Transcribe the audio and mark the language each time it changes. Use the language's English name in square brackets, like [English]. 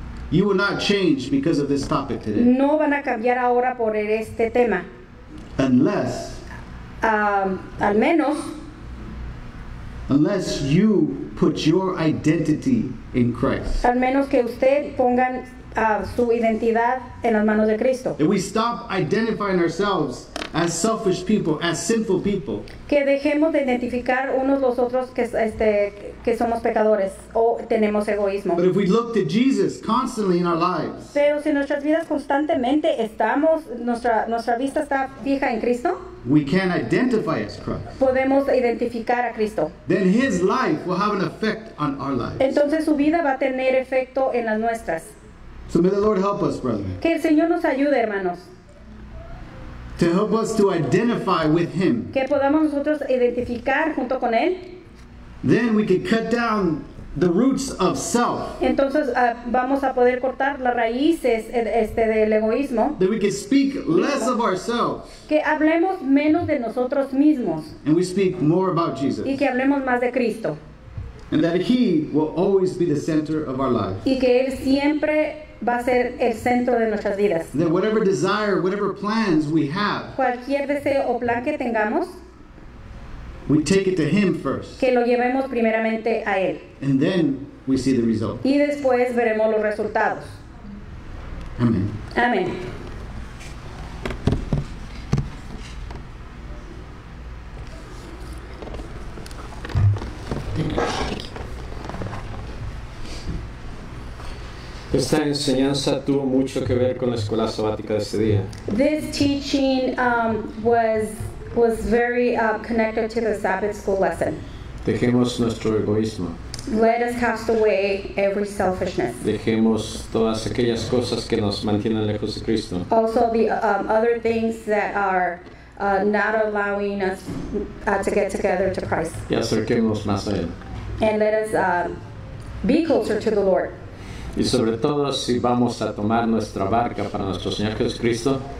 [English] You will not change because of this topic today. [Spanish] No van a cambiar ahora por este tema. [English] Unless. [Spanish] Al menos. [English] Unless you put your identity in Christ. [Spanish] Al menos que usted pongan su identidad en las manos de Cristo. [English] If we stop identifying ourselves as selfish people, as sinful people. [Spanish] Que dejemos de identificar unos los otros que somos pecadores o tenemos egoísmo. [English] But if we look to Jesus constantly in our lives. [Spanish] Pero si nuestras vidas constantemente estamos, nuestra vista está fija en Cristo. [English] We can identify as Christ. [Spanish] Podemos identificar a Cristo. [English] Then His life will have an effect on our lives. [Spanish] Entonces su vida va a tener efecto en las nuestras. [English] So may the Lord help us, brethren. [Spanish] Que el Señor nos ayude, hermanos. [English] To help us to identify with Him. [Spanish] Que podamos nosotros identificar junto con Él. [English] Then we can cut down the roots of self. [Spanish] Entonces vamos a poder cortar las raíces del egoísmo. [English] Then we can speak less of ourselves. [Spanish] Que hablemos menos de nosotros mismos. [English] And we speak more about Jesus. [Spanish] Y que hablemos más de Cristo. [English] And that He will always be the center of our lives. [Spanish] Y que Él siempre va a ser el centro de nuestras vidas. [English] Then whatever desire, whatever plans we have, [Spanish] cualquier deseo o plan que tengamos, [English] we take it to Him first. [Spanish] Que lo llevemos primeramente a Él. [English] And then we see the result. [Spanish] Y después veremos los resultados. [English] Amen. [Spanish] Amen. [English] Thank you. [Spanish] Esta enseñanza tuvo mucho que ver con la escuela sabática de ese día. [English] This teaching was very connected to the Sabbath school lesson. [Spanish] Dejemos nuestro egoísmo. [English] Let us cast away every selfishness. [Spanish] Dejemos todas aquellas cosas que nos mantienen lejos de Cristo. [English] Also the other things that are not allowing us to get together to Christ. [Spanish] Y acerquemos más a Él. [English] And let us be closer to the Lord. [Spanish] Y sobre todo si vamos a tomar nuestra barca para nuestro Señor Jesucristo.